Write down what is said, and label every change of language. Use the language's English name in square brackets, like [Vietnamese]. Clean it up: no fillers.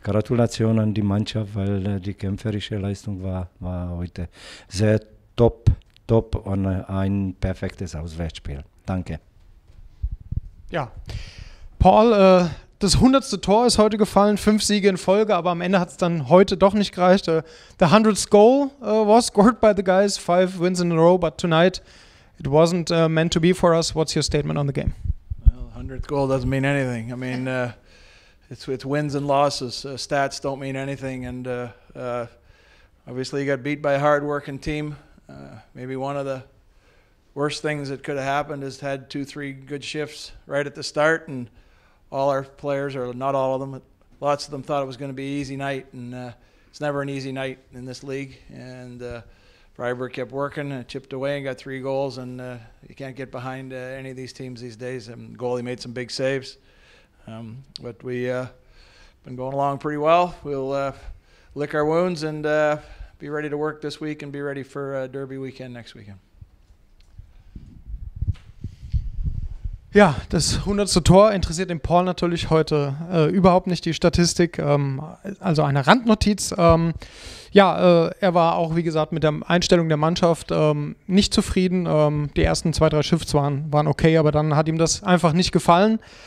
[German] Gratulation an die Mannschaft, weil die kämpferische Leistung war heute sehr top, top und ein perfektes Auswärtsspiel. Danke. Ja, Paul, das 100. Tor ist heute gefallen, 5 Siege in Folge, aber am Ende hat es dann heute doch nicht gereicht. [English] The 100th goal was scored by the guys, 5 wins in a row, but tonight it wasn't meant to be for us. What's your statement on the game? Well, 100th goal doesn't mean anything. I mean, It's wins and losses. Stats don't mean anything. And obviously, you got beat by a hard-working team. Maybe one of the worst things that could have happened is had 2-3 good shifts right at the start, and all our players, or not all of them, but lots of them thought it was going to be an easy night. And it's never an easy night in this league. And Freiburg kept working and chipped away and got 3 goals. And you can't get behind any of these teams these days. And goalie made some big saves. But we've been going along pretty well. We'll lick our wounds and be ready to work this week and be ready for Derby weekend next weekend. [German] Ja, das 100. Tor interessiert den Paul natürlich heute überhaupt nicht, die Statistik. Also eine Randnotiz. Er war auch, wie gesagt, mit der Einstellung der Mannschaft nicht zufrieden. Die ersten 2-3 Shifts waren okay, aber dann hat ihm das einfach nicht gefallen.